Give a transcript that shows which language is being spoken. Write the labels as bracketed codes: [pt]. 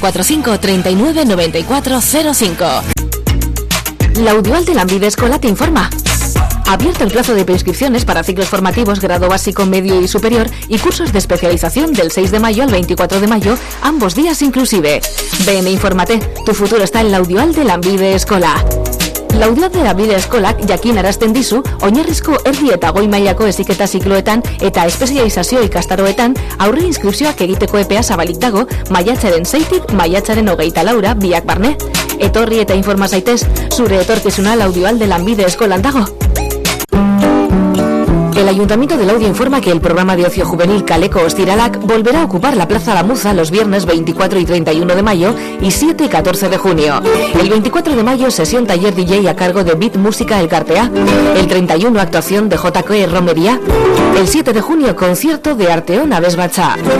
[es] 945-399405. La Udual de Lambide Escola te informa. Abierto el plazo de preinscripciones para ciclos formativos grado básico, medio y superior y cursos de especialización del 6 de mayo al 24 de mayo, ambos días inclusive. Ven e infórmate. Tu futuro está en la Udual de Lambide Escola. [eu] La Udual de Lanbide Eskolak jakin arazten dizu, oinarrizko erdi eta goi mailako heziketa zikloetan eta espezializazio ikastaroetan aurre inskripzioak egiteko epea zabalik dago maiatzaren 6-tik maiatzaren 24-ra biak barne. Etorri eta informa zaitez, zure etorkizuna la Udual de Lanbide Eskolan dago. [es] El Ayuntamiento de Laudio informa que el programa de ocio juvenil Caleco Ostiralac volverá a ocupar la Plaza La Muza los viernes 24 y 31 de mayo y 7 y 14 de junio. El 24 de mayo, sesión taller DJ a cargo de Beat Música El Cartea. El 31, actuación de JQ Romería. El 7 de junio, concierto de Arteón Aves Bachá.